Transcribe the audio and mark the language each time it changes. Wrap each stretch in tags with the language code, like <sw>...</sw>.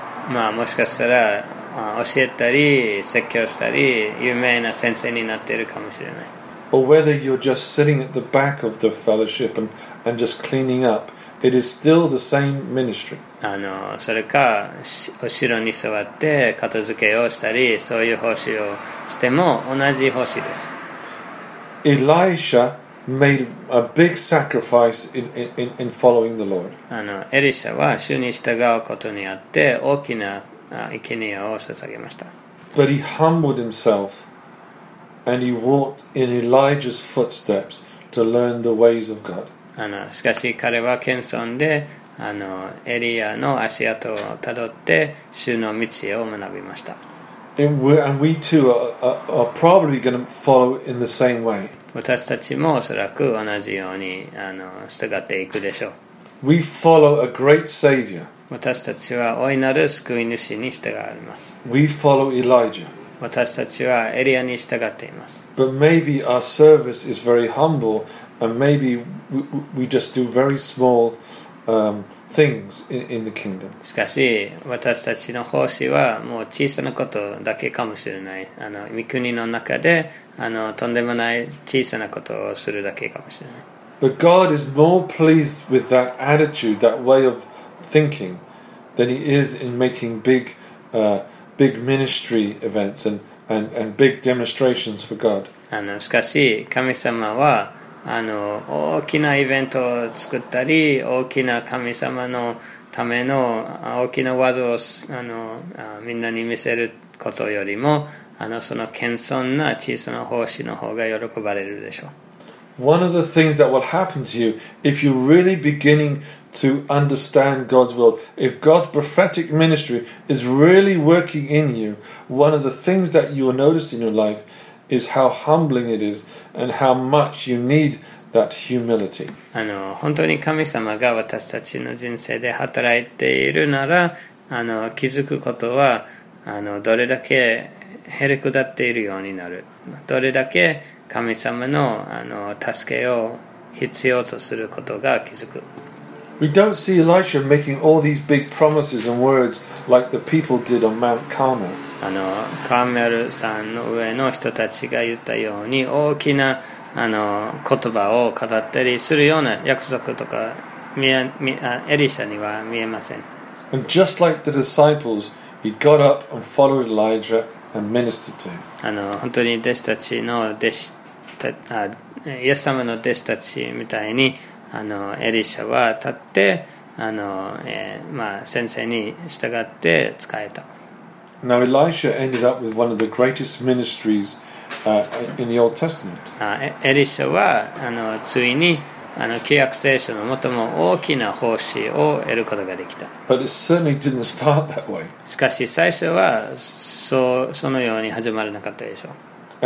<ja>まあもしかしたら教えたり説教したり有名な先生になっているかもしれない。</ja> <en>Or whether you're just sitting at the back of the fellowship and just cleaning up, it is still the same ministry.</en> <ja>あのそれか後ろに座って片付けをしたり、そういう奉仕をしても同じ奉仕です。</ja> <en>Elisha. Made a big sacrifice in following the Lord.</en> <ja>あのエリシャは主に従うことにあって大きな生贄を捧げました。</ja> <en>But he humbled himself and he walked in Elijah's footsteps to learn the ways of God.</en> <ja>あのしかし彼は謙遜で、あのエリアの足跡をたどって主の道を学びました。</ja> <en>And we too are probably going to follow in the same way.</en> <ja>私たちもおそらく同じように、あの従っていくでしょう。</ja> <en>We follow a great savior.</en> <ja>私たちは大いなる救い主に従います。</ja> <en>We follow Elijah.</en> <ja>私たちはエリアに従っています。</ja> <en>But maybe our service is very humble and maybe we just do very small things in the kingdom.</en> <ja>しかし私たちの奉仕はもう小さなことだけかもしれない。あの御国の中で、あのとんでもない小さなことをするだけかもしれない。</ja> <en>But God is more pleased with that attitude, that way of thinking, than he is in making big ministry events and big demonstrations for God.</en> <ja>あのしかし神様は、あの大きなイベントを作ったり、大きな神様のための大きな技を、あのみんなに見せることよりも、あのその謙遜な小さな奉仕の方が喜ばれるでしょう。</ja> <en>One of the things that will happen to you if you're really beginning to understand God's will, if God's prophetic ministry is really working in you, one of the things that you will notice in your life is how humbling it is and how much you need that humility.</en> <ja>あの本当に神様が私たちの人生で働いているなら、あの気づくことは、あのどれだけへり下っているようになる、どれだけ神様 の, あの助けを必要とすることが気づく。</ja> <en>We don't see Elisha making all these big promises and words like the people did on Mount Carmel.</en> <ja>あのカーメル山の上の人たちが言ったように、大きな、あの言葉を語ったりするような約束とか見エリシャには見えません。</ja> <en>And just like the disciples, he got up and followed ElijahAnd ministered to him.</en> <ja>あの本当に弟子たちの弟子た、あ、イエス様の弟子たちみたいに、あのエリシャは立って、あの、まあ、先生に従って仕えた。</ja> <en>Now Elisha ended up with one of the greatest ministries in the Old Testament.</en> <ja>エリシャは、あのついに、あの旧約聖書の最も大きな奉仕を得ることができた。</ja> <en>But it certainly didn't start that way.</en> <ja>しかし最初は そのように始まらなかったでしょう。</ja>